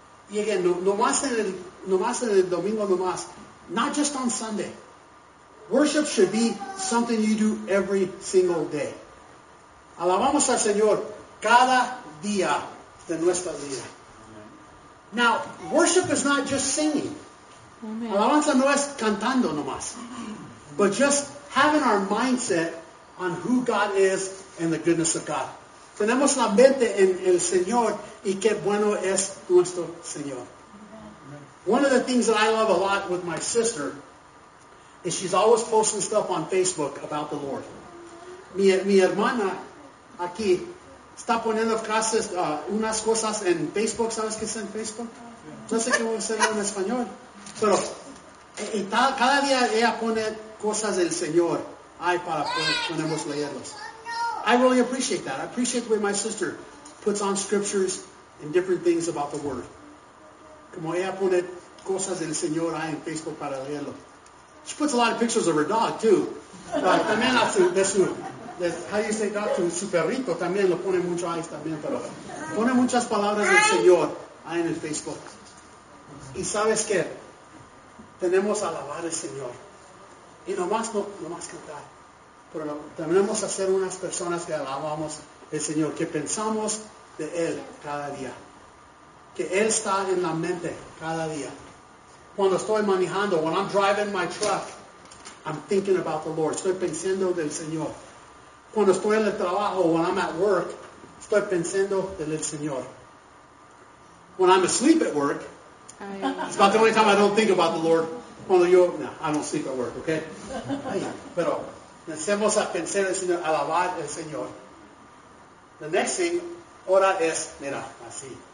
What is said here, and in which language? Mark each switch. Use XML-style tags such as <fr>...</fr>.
<es>Y again, no más en el domingo, no más.</es> <en>Not just on Sunday. Worship should be something you do every single day.</en> <es>Alabamos al Señor cada día de nuestra vida.</es> <en>Now, worship is not just singing.</en> <es>Alabanza no es cantando nomás.</es> <en>But just having our mindset on who God is and the goodness of God.</en> <es>Tenemos la mente en el Señor y qué bueno es nuestro Señor.</es> <en>One of the things that I love a lot with my sister is she's always posting stuff on Facebook about the Lord.</en> <es>Mi hermana aquí está poniendo frases, unas cosas en Facebook. ¿Sabes qué es en Facebook? No sé qué voy a hacer en español. Pero cada día ella pone cosas del Señor. Ay, para podemos leerlos.</es> <en>I really appreciate that. I appreciate the way my sister puts on scriptures and different things about the Word.</en> <es>Como ella pone cosas del Señor ahí en Facebook para leerlo.</es> <en>She puts a lot of pictures of her dog, too.</en> <es>También a su,</es> <en>how do you say dog?</en> <es>Su perrito también lo pone mucho ahí también, pero pone muchas palabras del Señor ahí en el Facebook. Y sabes qué? Tenemos a alabar al Señor. Y nomás cantar. Pero tenemos a ser unas personas que alabamos al Señor, que pensamos de Él cada día. Que Él está en la mente cada día. Cuando estoy manejando,</es> <en>when I'm driving my truck, I'm thinking about the Lord.</en> <es>Estoy pensando del Señor. Cuando estoy en el trabajo,</es> <en>when I'm at work,</en> <es>estoy pensando del Señor.</es> <en>When I'm asleep at work, it's about the only time I don't think about the Lord.</en> <es>Cuando yo,</es> <en>no, I don't sleep at work, okay?</en> <es>Pero necesitamos a pensar el Señor, alabar al Señor.</es> <en>The next thing,</en> <es>ahora es, mira, así.</es>